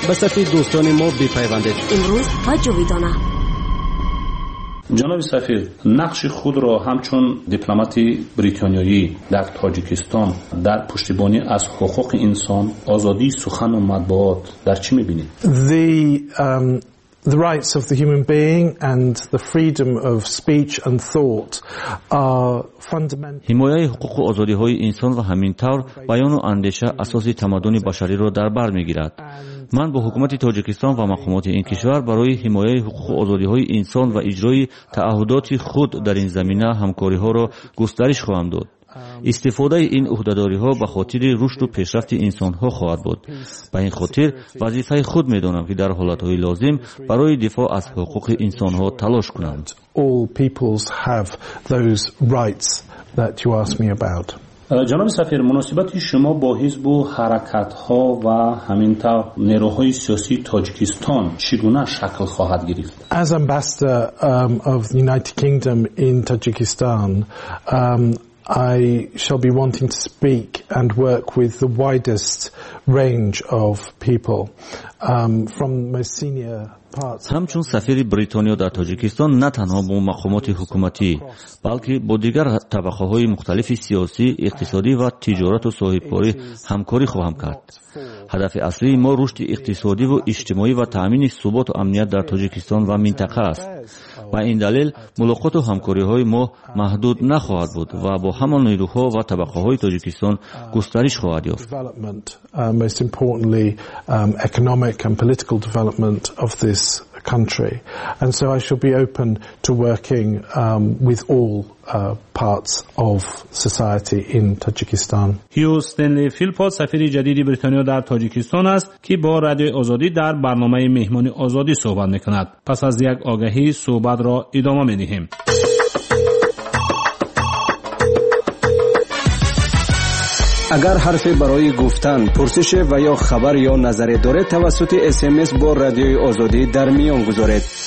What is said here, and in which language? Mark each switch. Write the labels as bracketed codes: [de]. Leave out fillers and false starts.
[fa] به صفحه دوستان ما بپیوندید. امروز با جاویدانه. جناب سفیر، نقش خود را همچون دیپلمات بریتانیایی در تاجیکستان در پشتیبانی از حقوق انسان، آزادی سخن و مطبوعات در چی می‌بینید؟ [en] The rights of the human being and the freedom of speech and thought are fundamental. [fa] حمایت حقوق و آزادی‌های انسان و همینطور بیان و اندیشه اساسی تمدن بشری را در بر می‌گیرد. من با حکومت تاجیکستان و مقامات این کشور برای حمایت حقوق و آزادی‌های انسان و اجرای تعهدات خود در این زمینه همکاری‌ها را گسترش خواهم داد. استفاده این عهده‌داری‌ها به خاطر رشد و پیشرفت انسان‌ها خواهد بود. به این خاطر وظیفه خود می‌دانم که در حالت‌های لازم برای دفاع از حقوق انسان‌ها تلاش کنم. [en] All peoples have those rights that you asked me about. [fa] جناب سفیر، مناسبت شما با حزب و حرکت‌ها و همینطور نیروهای سیاسی تاجیکستان چگونه شکل خواهد گرفت؟ [en] As ambassador of the United Kingdom in Tajikistan, I shall be wanting to speak and work with the widest range of people from most senior parts. [fa] همچون سفیر بریتانیا در تاجیکستان نه تنها با مقامات حکومتی بلکه با دیگر طبقه های مختلف سیاسی، اقتصادی و تجارت و صاحبکاری همکاری خواهم کرد. هدف اصلی ما رشد اقتصادی و اجتماعی و تامین ثبات و امنیت در تاجیکستان و منطقه است. با این دلیل ملاقات و همکاری های ما محدود نخواهد بود و با همان نیروها و طبقه های تاجیکستان گسترش خواهد یافت. [en] Most importantly, economic and political development of this country. And so I shall be open to working with all parts of society in Tajikistan. [fa] هیو استنلی فیلپوت سفیر جدید بریتانیا در تاجیکستان است که با رادیو آزادی در برنامه مهمانی آزادی صحبت میکند. پس از یک آگهی صحبت را ادامه میدهیم. اگر حرفی برای گفتن، پرسش و یا خبر یا نظری دارید، توسط SMS با رادیوی آزادی در میان گذارید.